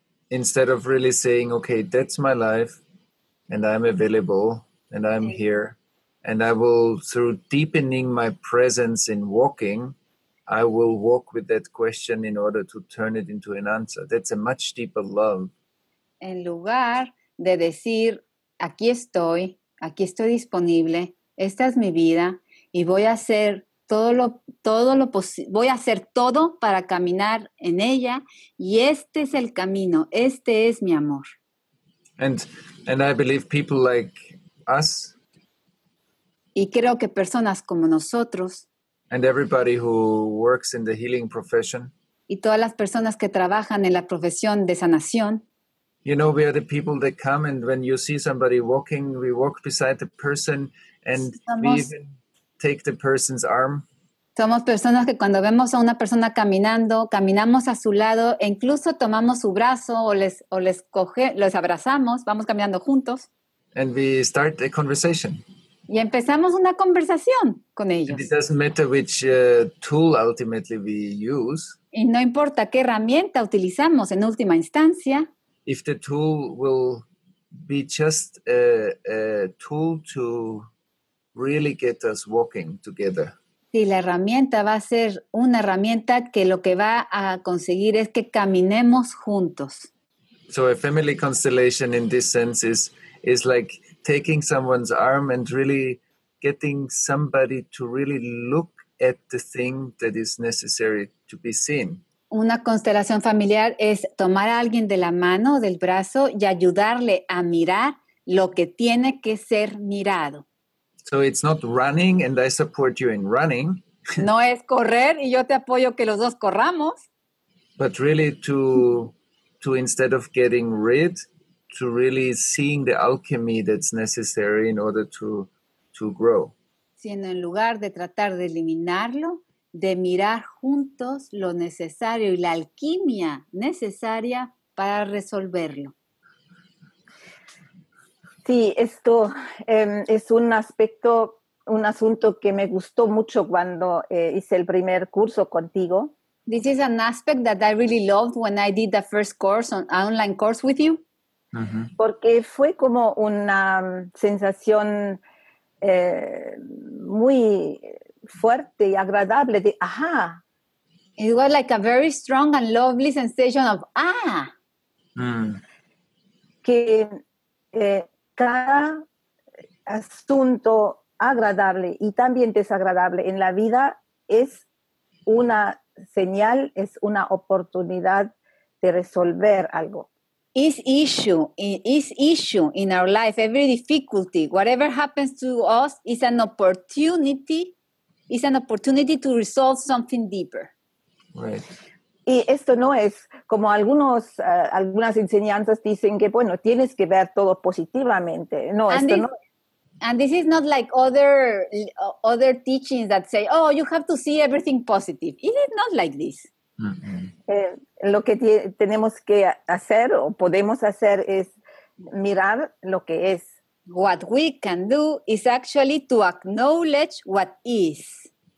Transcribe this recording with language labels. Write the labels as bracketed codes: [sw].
[en] Instead of really saying, okay, that's my life. And I'm available, and I'm here, and I will, through deepening my presence in walking, I will walk with that question in order to turn it into an answer. That's a much deeper love. [es] En lugar de decir, aquí estoy disponible, esta es mi vida, y voy a hacer todo para caminar en ella, y este es el camino, este es mi amor. [en] And I believe people like us. [es] Y creo que personas como nosotros. [en] And everybody who works in the healing profession. [es] Y todas las personas que trabajan en la profesión de sanación. [en] You know, we are the people that come, and when you see somebody walking, we walk beside the person, and we even take the person's arm. [es] Somos personas que cuando vemos a una persona caminando, caminamos a su lado e incluso tomamos su brazo o les abrazamos, vamos caminando juntos. [en] And we start a conversation. [es] Y empezamos una conversación con ellos. [en] And it doesn't matter which tool ultimately we use. [es] Y no importa qué herramienta utilizamos en última instancia. [en] If the tool will be just a tool to really get us walking together. [es] Sí, la herramienta va a ser una herramienta que lo que va a conseguir es que caminemos juntos. [en] So a family constellation in this sense is like taking someone's arm and really getting somebody to really look at the thing that is necessary to be seen. [es] Una constelación familiar es tomar a alguien de la mano, del brazo, y ayudarle a mirar lo que tiene que ser mirado. [en] So it's not running and I support you in running. [es] No es correr y yo te apoyo que los dos corramos. [en] But really to instead of getting rid, to really seeing the alchemy that's necessary in order to grow. [es] Sino en lugar de tratar de eliminarlo, de mirar juntos lo necesario y la alquimia necesaria para resolverlo. Sí, esto es un asunto que me gustó mucho cuando hice el primer curso contigo. [en] This is an aspect that I really loved when I did the first course, an online course with you. Uh-huh. [es] Porque fue como una sensación muy fuerte y agradable de ¡ajá! [en] It was like a very strong and lovely sensation of ¡ah! [es] Que cada asunto agradable y también desagradable en la vida es una señal, es una oportunidad de resolver algo. [en] Is issue in our life, every difficulty, whatever happens to us is an opportunity to resolve something deeper. Right. [es] Y esto no es como algunas enseñanzas dicen que bueno, tienes que ver todo positivamente. No, [en] and [es] esto [en] this, [es] no. [en] And this is not like other teachings that say, oh, you have to see everything positive. It is not like this. Mm-hmm. [es] Lo que tenemos que hacer o podemos hacer es mirar lo que es. [en] What we can do is actually to acknowledge what is.